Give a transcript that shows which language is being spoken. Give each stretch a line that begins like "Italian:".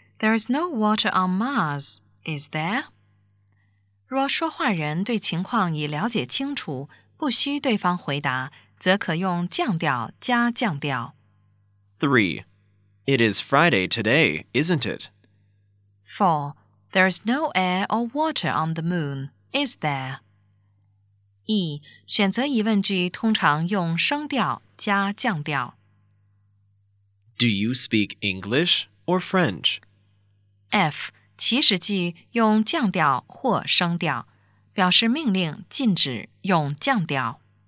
English: There is no water on Mars, is there?
Chinese: 若说话人对情况已了解清楚，不需对方回答，则可用降调加降调。
English: 3. It is Friday today, isn't it? 4. There is no air or water on the moon, is there? E.
Chinese: 选择疑问句通常用声调加降调。
English: Do you speak English or French? F.
Chinese: 祈使句用降调或声调，表示命令禁止用降调。